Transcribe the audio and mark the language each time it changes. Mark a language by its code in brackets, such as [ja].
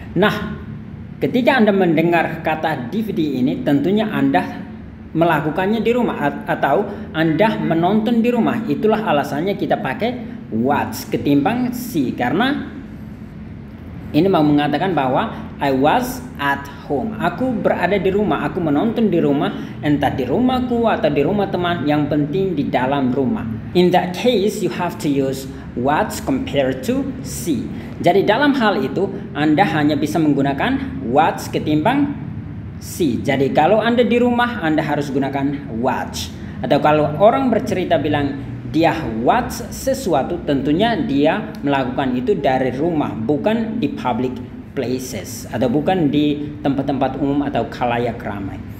[id] Nah, ketika Anda mendengar kata DVD ini, tentunya Anda melakukannya di rumah atau Anda menonton di rumah. Itulah alasannya kita pakai watch ketimbang see, karena ini mau mengatakan bahwa [en] I was at home. [id] Aku berada di rumah, aku menonton di rumah, entah di rumahku atau di rumah teman, yang penting di dalam rumah. [en] In that case, you have to use watch compared to see. [id] Jadi dalam hal itu, Anda hanya bisa menggunakan watch ketimbang see. Jadi kalau Anda di rumah, Anda harus gunakan watch. Atau kalau orang bercerita bilang dia watch sesuatu, tentunya dia melakukan itu dari rumah, bukan di [en] public places [id] atau bukan di tempat-tempat umum atau khalayak ramai.